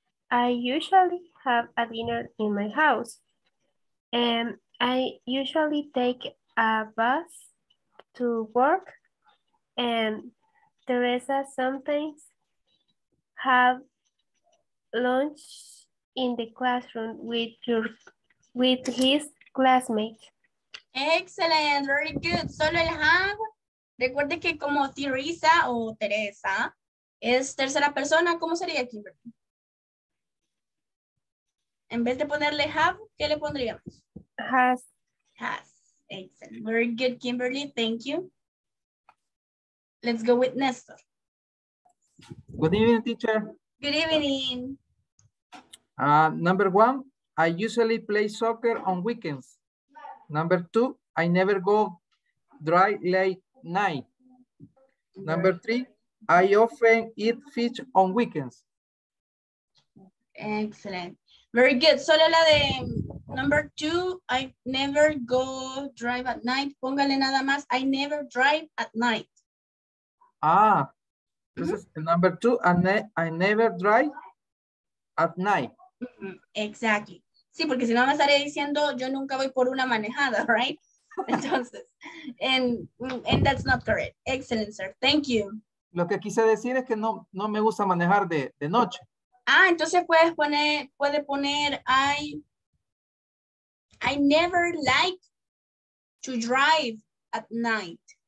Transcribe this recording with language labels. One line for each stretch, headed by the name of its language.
English: I usually have a dinner in my house. I usually take a bus to work. And Teresa sometimes have lunch in the classroom with his classmates. Excellent, very good.
Spanish: Solo el
English: have.
Spanish: Recuerde que como Teresa o Teresa es tercera persona, ¿cómo sería Kimberly? En vez de ponerle have, ¿qué le pondríamos?
English: Has. Has. Excellent. Very good, Kimberly. Thank you. Let's go with Nestor. Good evening, teacher. Good evening. Number one, I usually play soccer on weekends. Number two, I never go dry late night. Number three, I often eat fish on weekends. Excellent. Very good.
Spanish: Solo la de
English: number two, I never go drive at night.
Spanish: Póngale nada más,
English: I never drive at night. Ah, this is number two, I never drive at night. Exactly.
Spanish: Sí, porque si no me estaré diciendo, yo nunca voy por una manejada, right?
English: Entonces, and that's not correct. Excellent, sir. Thank you.
Spanish: Lo que quise decir es que no me gusta manejar de noche. Ah, entonces puede poner,
English: I never like to drive at night.